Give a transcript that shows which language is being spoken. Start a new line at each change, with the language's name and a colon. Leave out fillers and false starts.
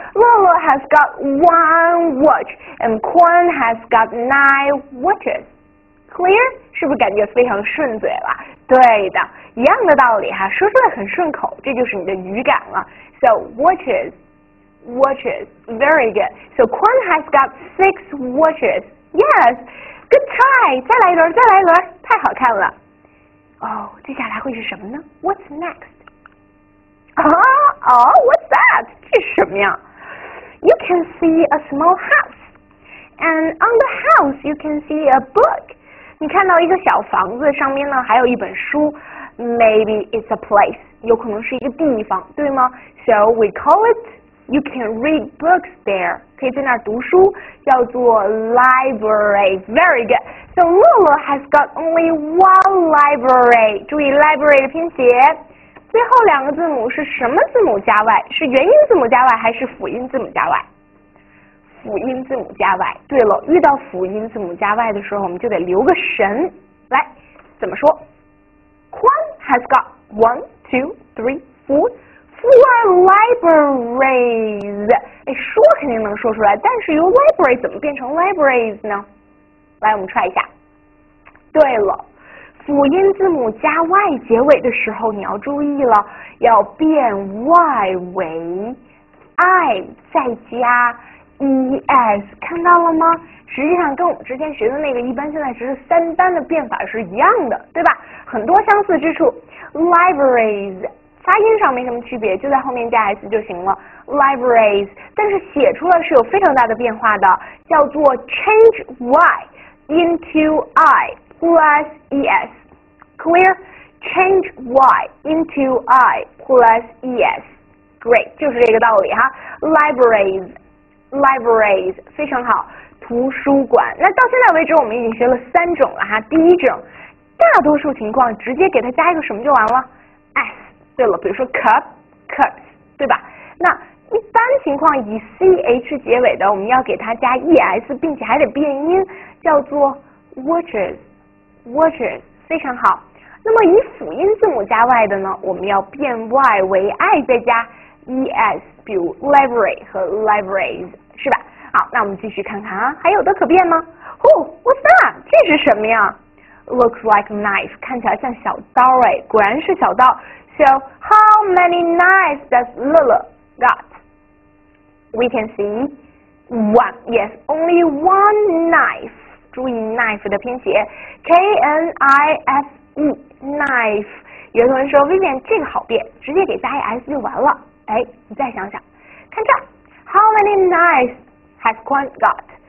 English: 乐乐 has got one watch, and Quan has got nine watches. Clear?
Chinese: 是不是感觉非常顺嘴了？对的，一样的道理哈，说出来很顺口，这就是你的语感了。
English: So watches, very good. So Quan has got six watches. Yes, good try.
Chinese: 再来一轮，再来一轮，太好看了。哦，接下来会是什么呢？
English: What's next？ What's that？
Chinese: 这是什么呀？
English: You can see a small house, and on the house you can see a book.
Chinese: 你看到一个小房子，上面呢还有一本书。
English: Maybe it's a place，
Chinese: 有可能是一个地方，对吗？
English: So we call it. You can read books there，
Chinese: 可以在那儿读书，叫做
English: library。 Very good。 So Lulu has got only one library。
Chinese: 注意 library 的拼写，最后两个字母是什么字母加 y？是元音字母加 y 还是辅音字母加 y？辅音字母加 y。对了，遇到辅音字母加 y 的时候，我们就得留个神。来，怎么说？
English: Kwan has got 1, 2, 3, 4 four libraries。
Chinese: 哎，说肯定能说出来，但是由 library 怎么变成 libraries 呢？来，我们try一下。对了，辅音字母加 y 结尾的时候，你要注意了，要变 y 为 i 再加 es， 看到了吗？实际上跟我们之前学的那个一般现在只是三单的变法是一样的，对吧？很多相似之处。 libraries 发音上没什么区别，就在后面加 s 就行了， libraries。但是写出来是有非常大的变化的，叫做
English: change y into i plus es， clear？ change y into i plus es， great，
Chinese: 就是这个道理哈。 libraries， libraries 非常好，图书馆。那到现在为止我们已经学了三种了哈。第一种，大多数情况直接给它加一个什么就完了， s。对了，比如说 cup， cups， 对吧？那一般情况以 ch 结尾的，我们要给它加 es， 并且还得变音，叫做 watches， watches， 非常好。那么以辅音字母加 y 的呢，我们要变 y 为 i 再加 es， 比如 library 和 libraries， 是吧？好，那我们继续看看啊，还有的可变吗？
English: What's that？
Chinese: 这是什么呀？
English: Looks like knife，
Chinese: 看起来像小刀哎，果然是小刀。
English: So how many knives does Lulu got？ We can see one， yes， only one knife。
Chinese: 注意 knife 的拼写， K-N-I-F-E， knife。有同学说 Vivian 这个好变，直接给加一 s 就完了。哎，你再想想，看这，
English: how many knives has Kwan got？